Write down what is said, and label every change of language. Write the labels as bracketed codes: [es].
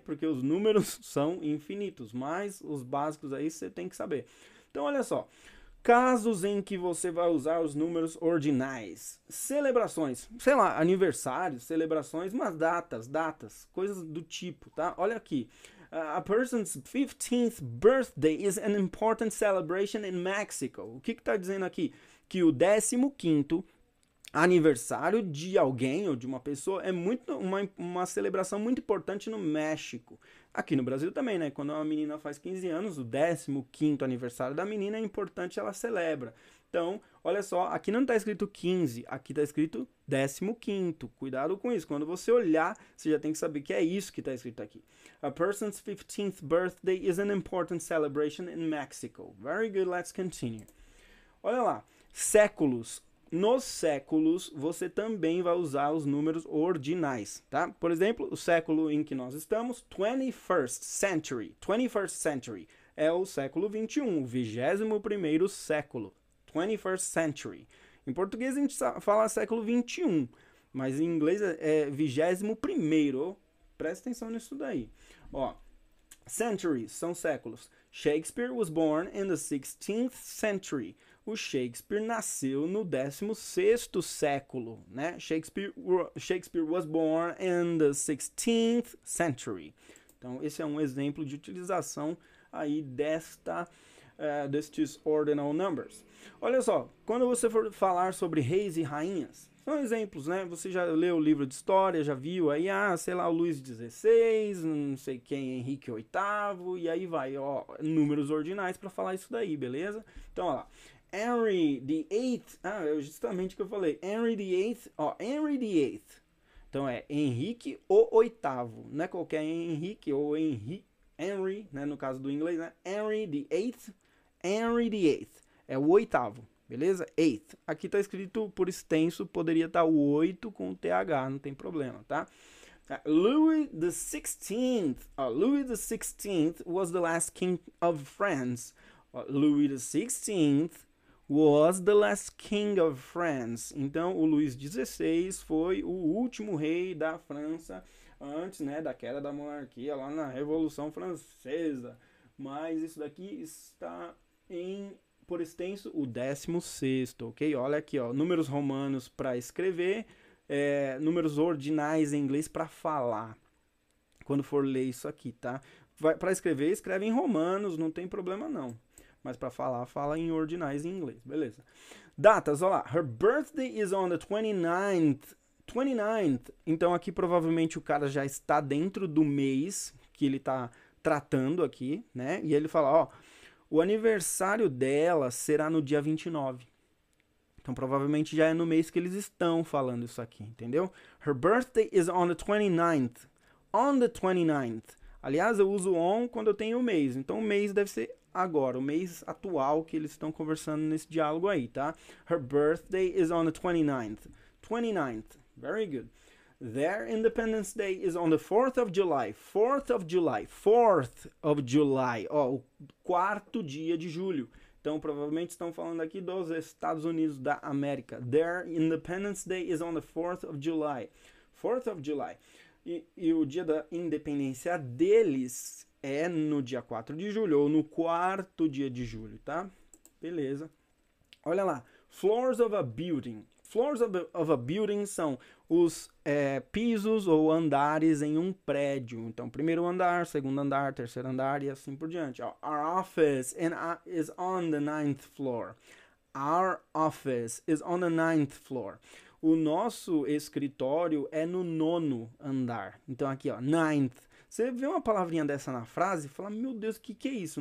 [pt] Porque os números são infinitos, mas os básicos aí você tem que saber. Então olha só. Casos em que você vai usar os números ordinais. Celebrações, sei lá, aniversários, celebrações, mas datas, coisas do tipo, tá? Olha aqui. [en] A person's 15th birthday is an important celebration in Mexico. [pt] O que que tá dizendo aqui? Que o 15º aniversário de alguém ou de uma pessoa é muito uma celebração muito importante no México. Aqui no Brasil também, né? Quando uma menina faz 15 anos, o 15º aniversário da menina é importante, ela celebra. Então, olha só, aqui não está escrito 15, aqui está escrito 15º. Cuidado com isso. Quando você olhar, você já tem que saber que é isso que está escrito aqui. [en] A person's 15th birthday is an important celebration in Mexico. Very good, let's continue. [pt] Olha lá, séculos. Nos séculos, você também vai usar os números ordinais, tá? Por exemplo, o século em que nós estamos, 21st century. 21st century é o século 21, o 21º século. 21st century. Em português a gente fala século 21, mas em inglês é 21º. Presta atenção nisso daí. Ó, centuries são séculos. [en] Shakespeare was born in the 16th century. [pt] O Shakespeare nasceu no 16º século, né? [en] Shakespeare was born in the 16th century. [pt] Então, esse é um exemplo de utilização aí destes ordinal numbers. Olha só, quando você for falar sobre reis e rainhas, são exemplos, né? Você já leu o livro de história, já viu aí, ah, sei lá, o Luís XVI, não sei quem, Henrique VIII, e aí vai, ó, números ordinais para falar isso daí, beleza? Então, ó lá. Henry VIII, ah, é justamente o que eu falei. Henry VIII, ó, Henry VIII. Então é Henrique o oitavo, não é qualquer Henrique ou Henry, né, no caso do inglês, né? Henry VIII, Henry VIII, é o oitavo, beleza? Eighth. Aqui tá escrito por extenso, poderia estar tá o oito com o TH, não tem problema, tá? [en] Louis the 16th, ó, Louis the 16th was the last king of France. Ó, Louis the 16th was the last king of France. [pt] Então, o Luís XVI foi o último rei da França antes, né, da queda da monarquia lá na Revolução Francesa. Mas isso daqui está em, por extenso, o 16º, ok? Olha aqui, ó, números romanos para escrever, números ordinais em inglês para falar. Quando for ler isso aqui, tá? Vai, para escrever, escreve em romanos, não tem problema não. Mas para falar, fala em ordinais em inglês, beleza. Datas, olha lá. [en] Her birthday is on the 29th. 29th. [pt] Então aqui provavelmente o cara já está dentro do mês que ele está tratando aqui, né? E ele fala, ó, o aniversário dela será no dia 29. Então provavelmente já é no mês que eles estão falando isso aqui, entendeu? [en] Her birthday is on the 29th. On the 29th. [pt] Aliás, eu uso on quando eu tenho o mês. Então, o mês deve ser agora, o mês atual que eles estão conversando nesse diálogo aí, tá? [en] Her birthday is on the 29th. 29th. Very good. Their Independence Day is on the 4th of July. 4th of July. 4th of July. [pt] Ó, o quarto dia de julho. Então, provavelmente estão falando aqui dos Estados Unidos da América. [en] Their Independence Day is on the 4th of July. 4th of July. [pt] E o dia da independência deles é no dia 4 de julho, ou no quarto dia de julho, tá? Beleza. Olha lá. [en] Floors of a building. [pt] Floors of a building são os pisos ou andares em um prédio. Então, primeiro andar, segundo andar, terceiro andar e assim por diante. [en] Ó, our office is on the ninth floor. Our office is on the ninth floor. [pt] O nosso escritório é no nono andar. Então aqui, ó, ninth. Você vê uma palavrinha dessa na frase e fala, meu Deus, o que que é isso?